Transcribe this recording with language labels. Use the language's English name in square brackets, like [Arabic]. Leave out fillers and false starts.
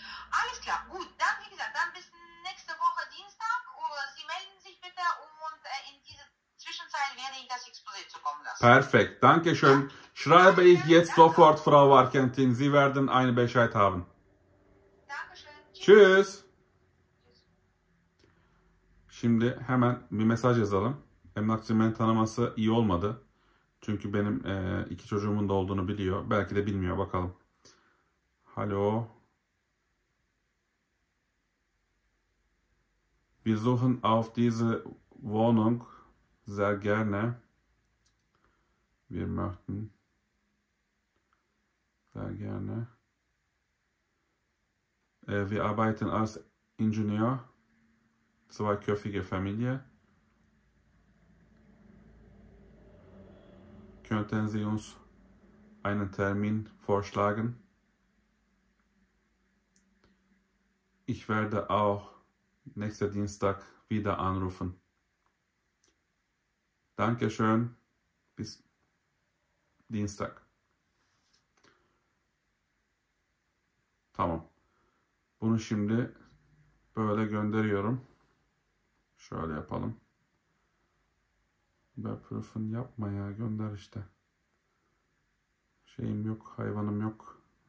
[German] Alles klar, gut, dann wie gesagt, dann bis nächste Woche Dienstag. Sie melden sich bitte und in dieser Zwischenzeit werde ich das Exposé zukommen lassen. Perfekt, danke schön. Schreibe ich jetzt sofort, Frau Warkentin. Sie werden einen Bescheid haben. Tschüss. [Turkish] Şimdi hemen bir mesaj yazalım. Emlakçı beni tanıması iyi olmadı. Çünkü benim iki çocuğumun da olduğunu biliyor. Belki de bilmiyor. Bakalım. [German] Hallo. Wir suchen auf diese Wohnung sehr gerne. Wir möchten sehr gerne. Wir arbeiten als Ingenieur, zweiköpfige Familie. Könnten Sie uns einen Termin vorschlagen? Ich werde auch nächsten Dienstag wieder anrufen. Dankeschön, bis Dienstag. [Turkish] Tamam. Bunu şimdi böyle gönderiyorum. Şöyle yapalım. Ben proof'un yapma ya, gönder işte. Şeyim yok, hayvanım yok.